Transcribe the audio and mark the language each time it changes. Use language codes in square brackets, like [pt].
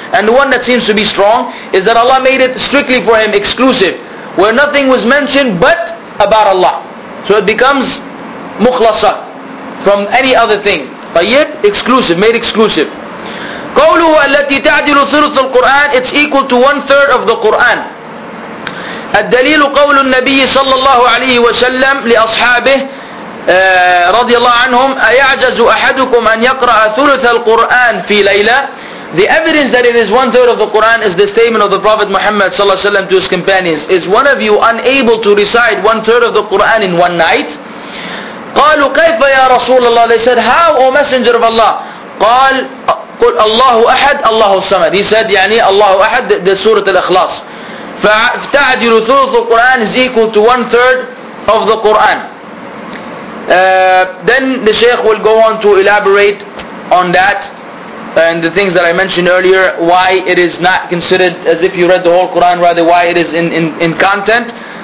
[en] And the one that seems to be strong is that Allah made it strictly for him, exclusive, where nothing was mentioned but about Allah. So it becomes mukhlasa from any other thing. طيب, exclusive, made exclusive. [ar] قَوْلُهُ أَلَّتِي تَعْدِلُ ثُلُثَ الْقُرْآنِ, [en] it's equal to one third of the Qur'an. [ar] الدليل قول النبي صلى الله عليه وسلم لأصحابه رضي الله عنهم أيعجز أحدكم أن يقرأ ثلث القرآن في ليلة. [en] The evidence that it is one third of the Quran is the statement of the Prophet Muhammad صلى الله عليه وسلم to his companions, is one of you unable to recite one third of the Quran in one night? [ar] قالوا كيف يا رسول الله, [en] they said, how, O messenger of Allah? [ar] قال قل الله أحد الله الصمد, [en] he said, [ar] يعني الله أحد, the Surah Al-Ikhlas. فَتَعْدِلُ ثُلُثُ الْقُرْآنِ [en] is equal to one third of the Qur'an. Then the Shaykh will go on to elaborate on that and the things that I mentioned earlier, why it is not considered as if you read the whole Qur'an, rather why it is in content.